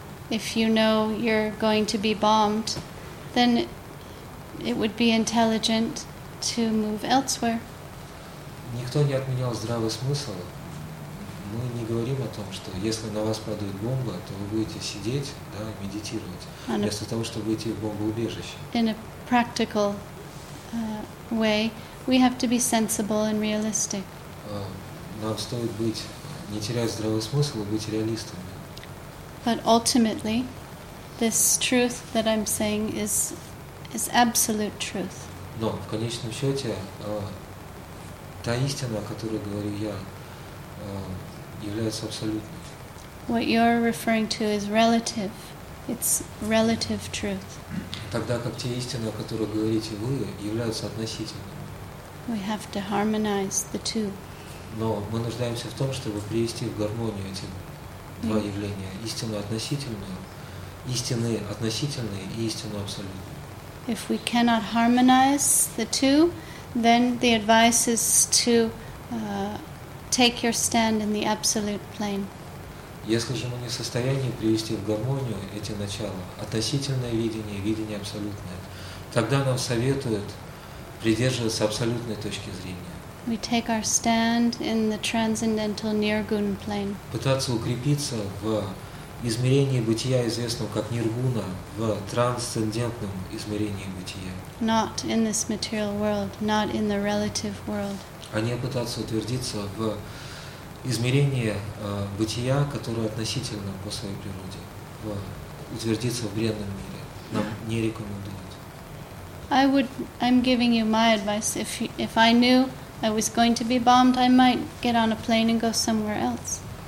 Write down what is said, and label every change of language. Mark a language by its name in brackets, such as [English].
[English] If you know you're going to be bombed, then it would be intelligent to move elsewhere. [Russian] Никто не отменял здравый смысл. Мы не говорим о том, что если на вас падает бомба, то вы будете сидеть, да, медитировать, вместо того, чтобы идти в бомбоубежище. [English] In a practical way, we have to be sensible and realistic. [Russian] Нам стоит быть, не терять здравый смысл и быть реалистами. [English] But ultimately, this truth that I'm saying is absolute truth. [Russian] Но в конечном счете, та истина, о которой говорю я, является абсолютной. [English] What you're referring to is relative. It's relative truth. [Russian] Тогда как те истины, о которых говорите вы, являются относительными. [English] We have to harmonize the two. [Russian] Но мы нуждаемся в том, чтобы привести в гармонию эти два явления: истину относительную, истины относительные и истину абсолютную. [English] If we cannot harmonize the two, then the advice is to take your stand in the absolute plane. [Russian] Если же мы не в состоянии привести в гармонию эти начала, относительное видение, видение абсолютное, тогда нам советуют придерживаться абсолютной точки зрения. [English] We take our stand in the transcendental nirguna plane. [Russian] Пытаться укрепиться в измерении бытия, известном как Ниргуна, в трансцендентном измерении бытия. [English] Not in this material world, not in the relative world. [Russian] А не пытаться утвердиться в измерении бытия, которое относительно по своей природе, утвердиться в бренном мире. Нам не рекомендуют. [English] I'm giving you my advice. If I knew I was going to be bombed, I might get on a plane and go somewhere else.